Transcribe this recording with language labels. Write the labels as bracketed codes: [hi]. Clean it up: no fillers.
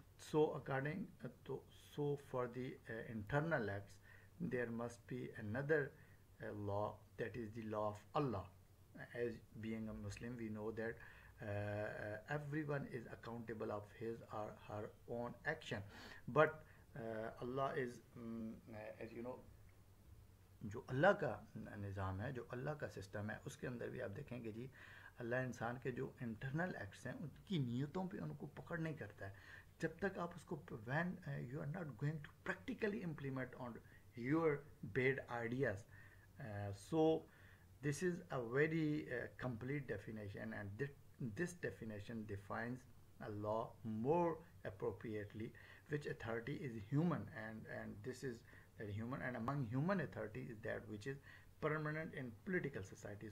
[en] So according to, so for the internal acts, there must be another law, that is the law of Allah. As being a Muslim, we know that everyone is accountable of his or her own action. But Allah is, as you know, [ur] جو اللہ کا نظام ہے, جو اللہ کا system ہے, اس کے اندر بھی آپ دیکھیں گے جی, اللہ انسان کے جو انٹرنل ایکٹس ہیں ان کی نیتوں پہ ان کو پکڑ نہیں کرتا ہے جب تک آپ اس کو, [en] when you are not going to practically implement on your bad ideas. So this is a very complete definition, and this definition defines a law more appropriately, which authority is human, and this is that human, and among human authority is that which is permanent in political society.